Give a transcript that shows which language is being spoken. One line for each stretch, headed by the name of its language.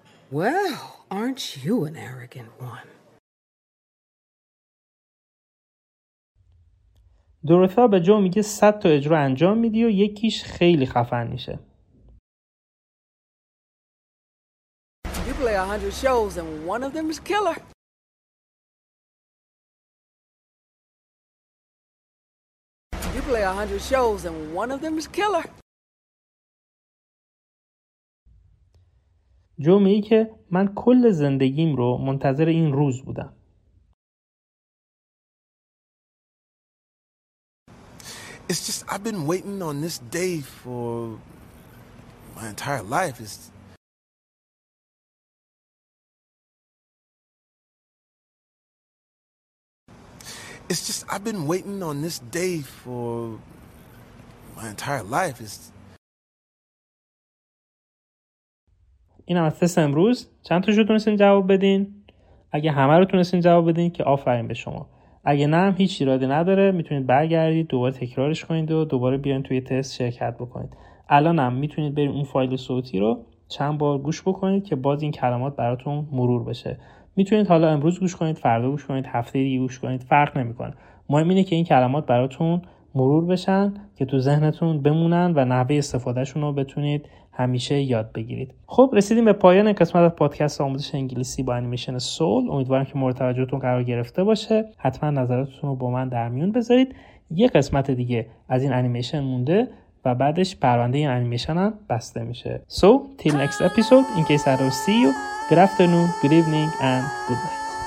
English: Well, aren't you an arrogant one?
Persian: دروثا به جو میگه 100 تا اجرا انجام میدی و یکیش خیلی خفن میشه.
English: Play 100 shows and one of them is killer. You play 100 shows and one of them is killer.
Persian: جو میگه که من کل زندگیم رو منتظر این روز بودم.
English: It's just I've been waiting on this day for my entire life. It's just I've been waiting on this day for my entire life.
Persian: این هم از تست امروز. چند تا شدتونستین جواب بدین؟ اگه همه رو تونستین جواب بدین که آفرین به شما. اگه نه هم هیچ ایرادی نداره. میتونید برگردید دوباره تکرارش کنید و دوباره بیاین توی تست شرکت بکنید. الان هم میتونید برید اون فایل صوتی رو چند بار گوش بکنید که باز این کلمات براتون مرور بشه. میتونید حالا امروز گوش کنید، فردا گوش کنید، هفته دیگه گوش کنید، فرق نمیکنه. مهم اینه که این کلمات براتون مرور بشن که تو ذهنتون بمونن و نحوه استفادهشون رو بتونید همیشه یاد بگیرید. خب رسیدیم به پایان قسمت از پادکست آموزش انگلیسی با انیمیشن سول. امیدوارم که مورد توجهتون قرار گرفته باشه. حتما نظراتتون رو با من در میون بذارید. یه قسمت دیگه از این انیمیشن مونده و بعدش پرونده این انیمیشن هم بسته میشه.
English: So, till next episode, in case I don't see you, good afternoon, good evening, and good night.